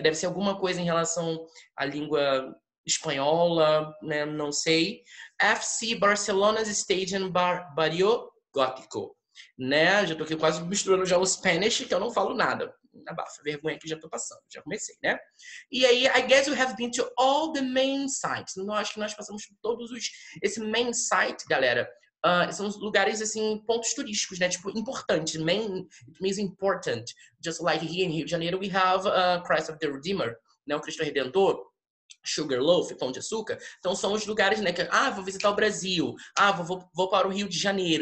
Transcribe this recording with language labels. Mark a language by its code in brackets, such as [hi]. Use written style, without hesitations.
[pt] Deve ser alguma coisa em relação à língua espanhola, né? Não sei. FC Barcelona Stadium Barrio Gótico, né? Já tô aqui quase misturando já o Spanish, que eu não falo nada. abafa, vergonha que já tô passando, já comecei, né? [en] E aí, I guess we have been to all the main sites. [pt] Acho que nós passamos por todos os... Esse main site, galera, são lugares, assim, pontos turísticos, né? Tipo, importante, [en] main, it means important. Just like here in Rio de Janeiro, we have Christ of the Redeemer, né? O Cristo Redentor. [pt] Sugarloaf, Pão de Açúcar. Então, são os lugares, né? Que, ah, vou visitar o Brasil. Ah, vou para o Rio de Janeiro.